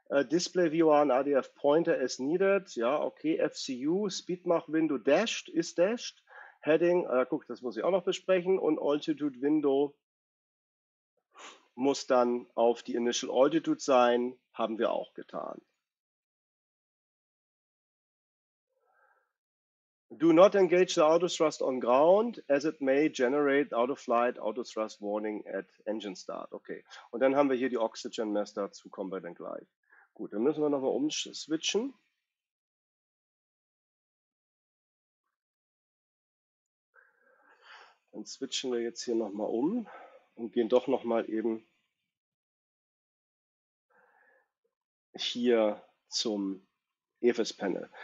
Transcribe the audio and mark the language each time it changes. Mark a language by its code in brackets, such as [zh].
[en] Display Viewer an ADF Pointer as needed, [de] ja, okay, FCU, Speedmach Window Dashed, ist Dashed, Heading, guck, das muss ich auch noch besprechen, und Altitude Window muss dann auf die Initial Altitude sein, haben wir auch getan. [en] Do not engage the autothrust on ground, as it may generate out-of-flight autothrust warning at engine start. [de] Okay, und dann haben wir hier die Oxygen Mess, dazu kommen wir dann gleich. Gut, dann müssen wir nochmal umswitchen. Dann switchen wir jetzt hier nochmal um und gehen doch nochmal eben hier zum EFS-Panel.